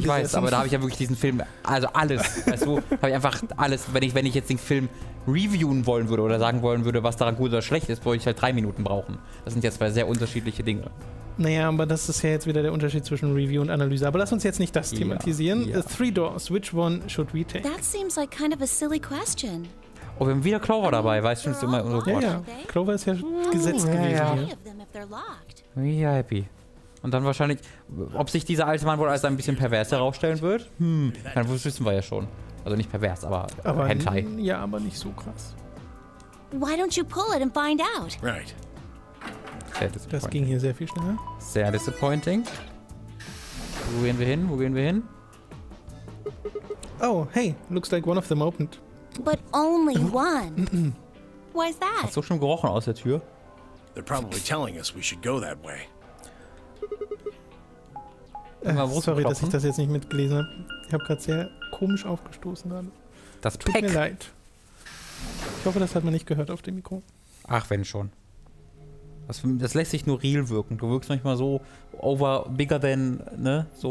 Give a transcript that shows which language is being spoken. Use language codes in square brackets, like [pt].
[de] gesehen. Ich weiß, aber da habe ich ja wirklich diesen Film. Also alles. Weißt du, habe ich einfach alles. Wenn ich jetzt den Film reviewen wollen würde oder sagen wollen würde, was daran gut oder schlecht ist, würde ich halt 3 Minuten brauchen. Das sind ja 2 sehr unterschiedliche Dinge. Naja, aber das ist ja jetzt wieder der Unterschied zwischen Review und Analyse. Aber lass uns jetzt nicht das thematisieren. Ja. [en] Three Doors, which one should we take? That seems like kind of a silly question. [de] Oh, wir haben wieder Clover dabei, weißt du, das ist immer unser Quatsch. Ja, ja, Clover ist ja gesetzt gewesen. Ja, ja. VIP. Und dann wahrscheinlich, ob sich dieser alte Mann wohl als ein bisschen pervers herausstellen wird? Hm, das wissen wir ja schon. Also nicht pervers, aber Hentai. Ja, aber nicht so krass. [en] Why don't you pull it and find out? Right. [de] Sehr disappointing. Das ging hier sehr viel schneller. Sehr disappointing. Wo gehen wir hin? Wo gehen wir hin? [en] Oh, hey, looks like one of them opened. But only one. Why's that? [de] Hast du schon gerochen aus der Tür? [en] They're probably telling us we should go that way. [de] Sorry, dass ich das jetzt nicht mitgelesen habe. Ich habe gerade sehr komisch aufgestoßen gerade. Das tut mir leid. Ich hoffe, das hat man nicht gehört auf dem Mikro. Ach, wenn schon. Das lässt sich nur real wirken. Du wirkst manchmal so over, bigger than, ne? So